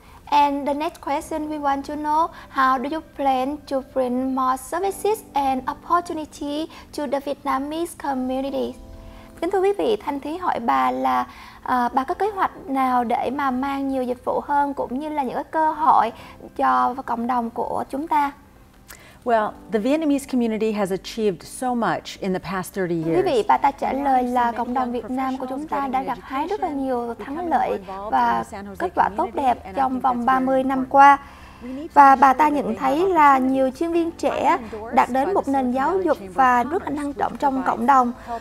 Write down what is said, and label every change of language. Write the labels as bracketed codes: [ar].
[en] And the next question we want to know, how do you plan to bring more services and opportunity to the Vietnamese community? [vi] Kính thưa quý vị, Thanh Thúy hỏi bà là bà có kế hoạch nào để mà mang nhiều dịch vụ hơn cũng như là những cơ hội cho cộng đồng của chúng ta? [en] Well, the Vietnamese community has achieved so much in the past 30 years. [vi] Quý vị, bà ta trả lời là cộng đồng Việt Nam của chúng ta đã gặt hái rất là nhiều thắng lợi và kết quả tốt đẹp trong vòng 30 năm qua. Và bà ta nhận thấy là nhiều chuyên viên trẻ đạt đến một nền giáo dục và rất là năng động trong cộng đồng.